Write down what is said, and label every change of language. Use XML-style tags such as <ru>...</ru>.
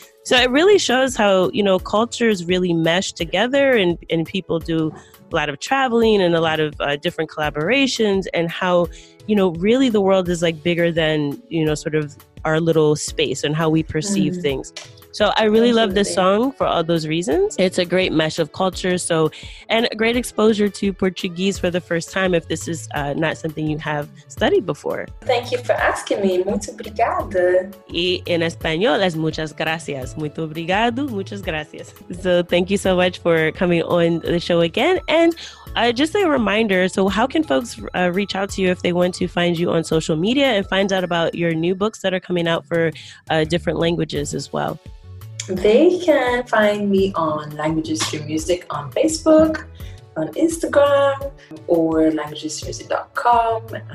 <en>So it really shows how, you know, cultures really mesh together and people do a lot of traveling and a lot of different collaborations and how, you know, really the world is like bigger than, you know, sort of our little space and how we perceive things. So I really love this song for all those reasons. It's a great mesh of culture. So, and a great exposure to Portuguese for the first time if this is not something you have studied before. Thank you for asking me.</en> <pt>Muito obrigada.</pt> <es>Y en español es muchas gracias.</es> <pt>Muito obrigado,</pt> <es>muchas gracias.</es> <en>So thank you so much for coming on the show again. And just a reminder, so how can folks reach out to you if they want to find you on social media and find out about your new books that are coming out for different languages as well? They can find me on Languages Through Music on Facebook, on Instagram, or languagesthroughmusic.com.</en>